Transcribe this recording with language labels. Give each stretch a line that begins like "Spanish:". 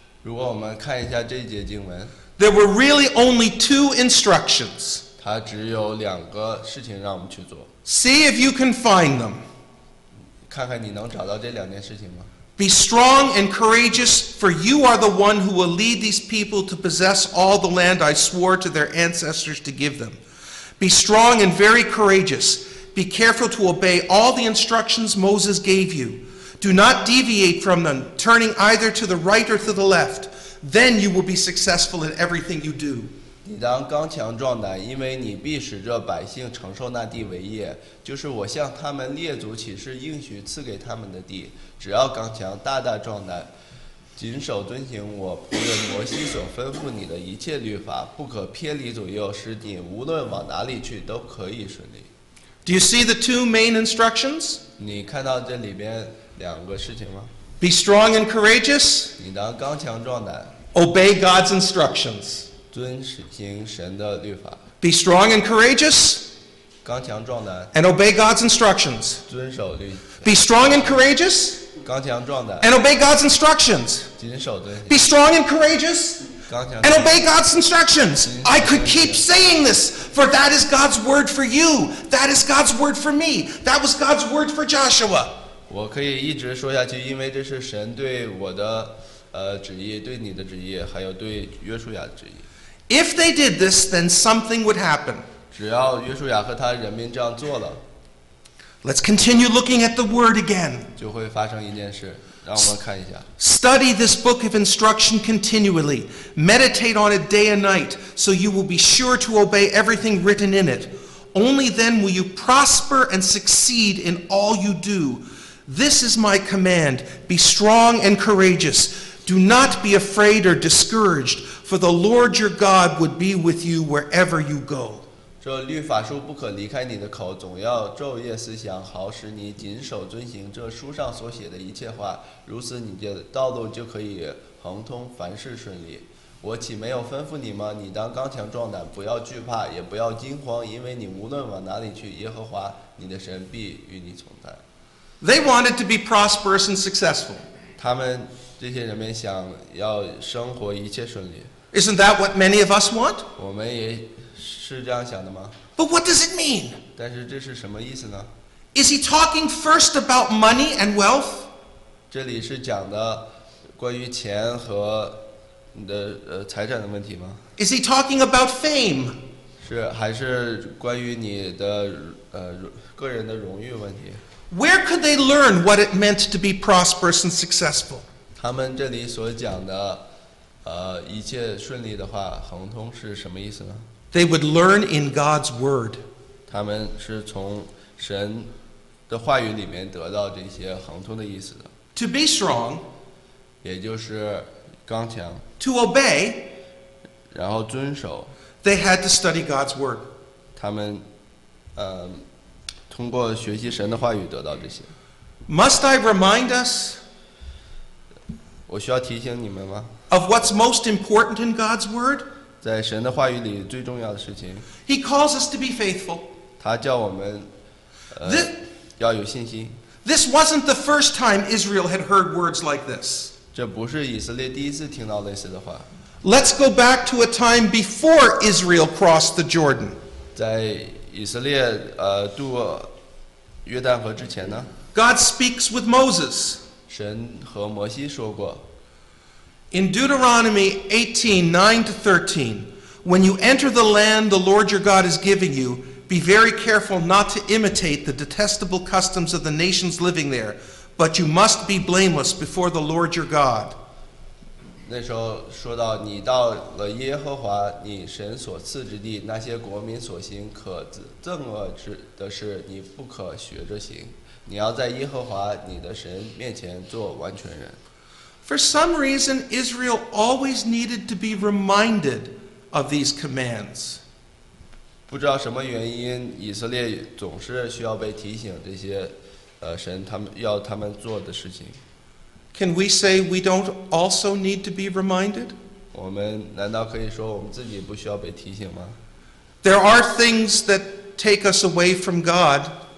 Chinese: 如果我们看一下这一节经文，
English: there were really only two instructions.
Chinese: 它只有两个事情让我们去做。
English: See if you can find them.
Chinese: 看看你能找到这两件事情吗？
English: Be strong and courageous, for you are the one who will lead these people to possess all the land I swore to their ancestors to give them. Be strong and very courageous. Be careful to obey all the instructions Moses gave you. Do not deviate from them, turning either to the right or to the left. Then you will be successful in everything you do.
Chinese: 你当刚强壮胆，因为你必使这百姓承受那地为业，就是我向他们列祖起誓应许赐给他们的地。只要刚强，大大壮胆，谨守遵行我仆人摩西所吩咐你的一切律法，不可偏离左右，使你无论往哪里去都可以顺利。
English: Do you see the two main instructions?
Chinese: 你看到这里边两个事情吗？
English: Be strong and courageous.
Chinese: 你当刚强壮胆。
English: Obey God's instructions.
Chinese: 遵行神的律法。
English: Be strong and courageous.
Chinese: 刚强壮胆。
English: And obey God's instructions.
Chinese: 遵守律。
English: Be strong and courageous.
Chinese: 刚强壮胆。
English: And obey God's instructions.
Chinese: 谨守遵行。
English: Be strong and courageous. And obey God's instructions. I could keep saying this, for that is God's word for you. That is God's word for me. That was God's word for Joshua.
Chinese: 我可以一直说下去，因为这是神对我的旨意，对你的旨意，还有对约书亚的旨意。
English: If they did this, then something would happen.
Chinese: 只要约书亚和他人民这样做了
English: ，Let's continue looking at the word again.
Chinese: 就会发生一件事。让我们看一下。
English: Study this book of instruction continually. Meditate on it day and night, so you will be sure to obey everything written in it. Only then will you prosper and succeed in all you do. This is my command. Be strong and courageous. Do not be afraid or discouraged, for the Lord your God would be with you wherever you go.
Chinese: 这律法书不可离开你的口，总要昼夜思想，好使你谨守遵行这书上所写的一切话。如此，你的道路就可以亨通，凡事顺利。我岂没有吩咐你吗？你当刚强壮胆，不要惧怕，也不要惊慌，因为你无论往哪里去，耶和华你的神必与你同在。
English: They wanted to be prosperous and successful.
Chinese: 他们这些人们想要生活一切顺利。
English: Isn't that what many of us want?
Chinese: 我们也。是这样想的吗?
English: But what does it mean?
Chinese: 但是这是什么意思呢?
English: Is he talking first about money and wealth?
Chinese: 这里是讲的关于钱和你的财产的问题吗?
English: Is he talking about fame?
Chinese: 是还是关于你的个人的荣誉问题?
English: Where could they learn what it meant to be prosperous and successful?
Chinese: 他们这里所讲的一切顺利的话亨通是什么意思呢?
English: They would learn in God's word.
Chinese: 他们是从神的话语里面得到这些亨通的意思的。
English: To be strong,
Chinese: 也就是刚强。
English: To obey,
Chinese: 然后遵守。
English: They had to study God's word.
Chinese: 他们，通过学习神的话语得到这些。
English: Must I remind us?
Chinese: 我需要提醒你们吗?
English: Of what's most important in God's word?
Chinese: 在神的话语里最重要的事情
English: He calls us to be faithful.
Chinese: 他叫我们要有信心
English: This wasn't the first time Israel had heard words like this.
Chinese: 这不是以色列第一次听到类似的话
English: Let's go back to a time before Israel crossed the Jordan.
Chinese: 在以色列渡约旦河之前呢
English: God speaks with Moses.
Chinese: 神和摩西说过
English: In Deuteronomy 18, 9 to 13, when you enter the land the Lord your God is giving you, be very careful not to imitate the detestable customs of the nations living there, but you must be blameless before the Lord your God.
Chinese: 那时候说到，你到了耶和华你神所赐之地，那些国民所行可憎恶的事，你不可学着行。你要在耶和华你的神面前做完全人。
English: For some reason, Israel always needed to be reminded of these commands.
Chinese: 不知道什么原因，以色列总是需要被提醒这些，神他们要他们做的事情。
English: Can we say we don't also need to be reminded?
Chinese: 我们难道可以说我们自己不需要被提醒吗？
English: There are things that take us away from God.